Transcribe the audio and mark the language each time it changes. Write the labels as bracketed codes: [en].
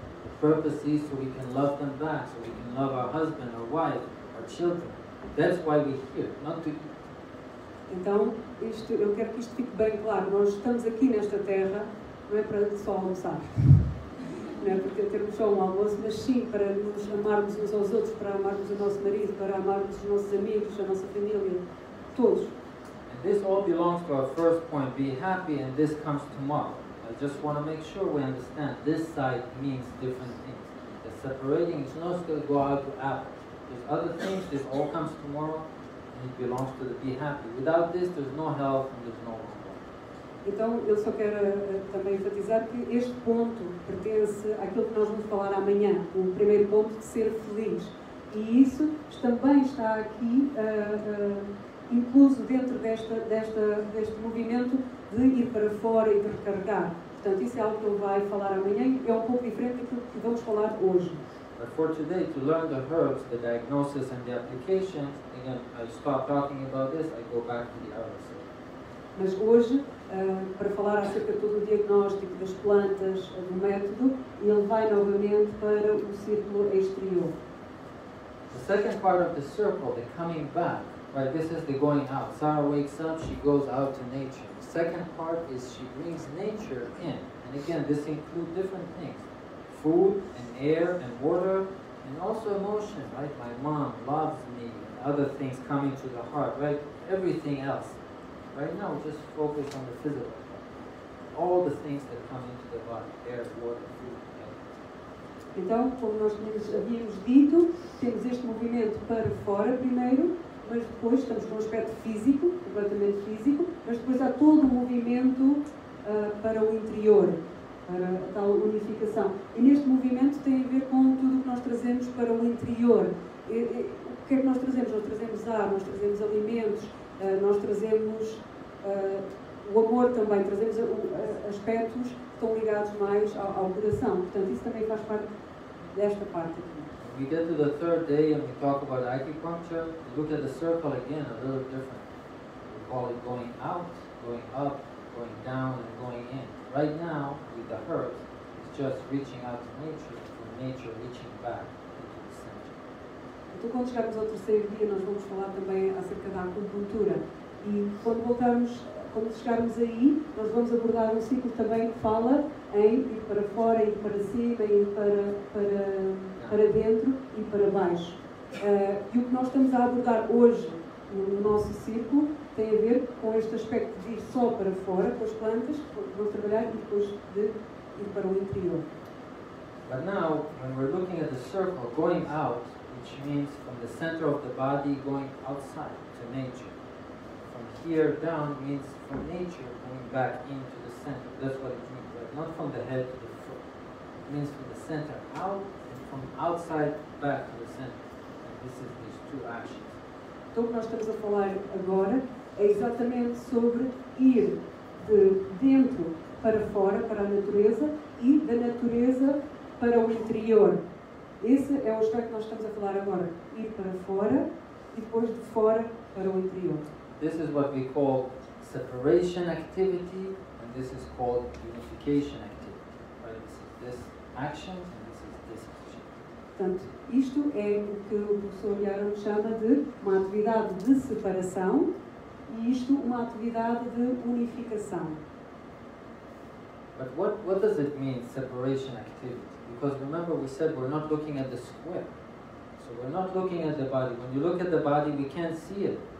[en] The purpose is so we can love them back, so we can love our husband, our wife, our children. That's why we're here, not to eat. [pt] Então, isto, eu quero que isto fique bem claro. Nós estamos aqui nesta terra, não é para só almoçar. Não é porque temos só um almoço, mas sim para nos amarmos uns aos outros, para amarmos o nosso marido, para amarmos os nossos amigos, a nossa família, todos. [en] And this all belongs to our first point, be happy, and this comes tomorrow. I just want to make sure we understand this side means different things. The separating is not going to go out to apples. There's other things, this all comes tomorrow, and it belongs to the be happy. Without this, there's no health and there's no one. [pt] Então, eu só quero também enfatizar que este ponto pertence àquilo que nós vamos falar amanhã, o primeiro ponto de ser feliz. E isso também está aqui, incluso dentro deste movimento de ir para fora e de recarregar. Portanto, isso é algo que eu vou falar amanhã e é um pouco diferente daquilo que vamos falar hoje. [en] But for today, to learn the herbs, the diagnosis and the applications, again, I stop talking about this, I go back to the others. [pt] Mas hoje, para falar acerca de todo o diagnóstico das plantas, do método, ele vai novamente para o círculo exterior. [en] The second part of the circle, the coming back, right, this is the going out. Sarah wakes up, she goes out to nature. The second part is she brings nature in. And again, this includes different things. Food and air and water and also emotion, right? My mom loves me and other things coming to the heart, right? Everything else. Right now, just focus on the physical part. All the things that come into the body, air, water, food, energy. [pt] Então, como nós havíamos dito, temos este movimento para fora primeiro, mas depois estamos com um aspecto físico, completamente físico, mas depois há todo o movimento para o interior, para a tal unificação. E neste movimento tem a ver com tudo o que nós trazemos para o interior. O que é que nós trazemos? Nós trazemos ar, nós trazemos alimentos, nós trazemos o amor também, trazemos aspectos que estão ligados mais ao coração. Portanto, isso também faz parte desta parte aqui. [en] we get to the third day and we talk about acupuncture, we look at the circle again, a little different. We call it going out, going up, going down, and going in. Right now, with the herbs, it's just reaching out to nature, from nature reaching back into the center. [pt] Então, quando chegarmos ao terceiro dia, nós vamos falar também acerca da acupuntura. E quando voltarmos, quando chegarmos aí, nós vamos abordar um ciclo também que fala em ir para fora, ir para cima, ir para dentro e para baixo. E o que nós estamos a abordar hoje no nosso ciclo tem a ver com este aspecto de ir só para fora, com as plantas, que vão trabalhar, e depois de ir para o interior. [en] But now, when we're looking at the circle, going out, which means from the center of the body going outside, to nature. From here down means from nature going back into the center. That's what it means, right? Not from the head to the foot. It means from the center out, and from outside back to the center. And this is these two actions. [pt] Então, o que nós estamos a falar agora é exatamente sobre ir de dentro para fora, para a natureza, e da natureza para o interior. Esse é o aspecto que nós estamos a falar agora. Ir para fora e depois de fora para o interior. [en] This is what we call separation activity, and this is called unification activity. Right? This is this action, and this is this action. [pt] Portanto, isto é o que o professor Yaron chama de uma atividade de separação e isto uma atividade de unificação. [en] But what does it mean, separation activity? Because remember we said we're not looking at the square. So we're not looking at the body. When you look at the body, we can't see it.